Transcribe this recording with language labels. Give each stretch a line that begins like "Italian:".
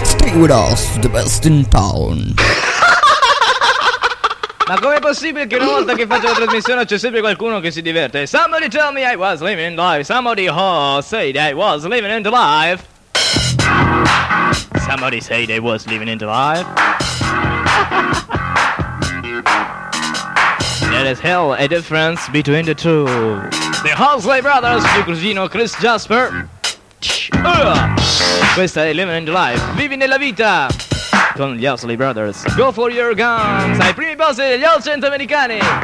English: Danny Rudolph, the best in town.
Italian: Ma com'è possibile che una volta che faccio la trasmissione c'è sempre qualcuno che si diverte?
English: Somebody tell me I was living in life. Somebody said I was living in life. Somebody said I was living in life. There is hell a difference between the two.
Italian: The Hosley Brothers, mio cugino Chris Jasper. Questa è Living in the Life. Vivi nella vita con gli Osley Brothers.
English: Go for your guns.
Italian: Ai primi posti degli All Centroamericani.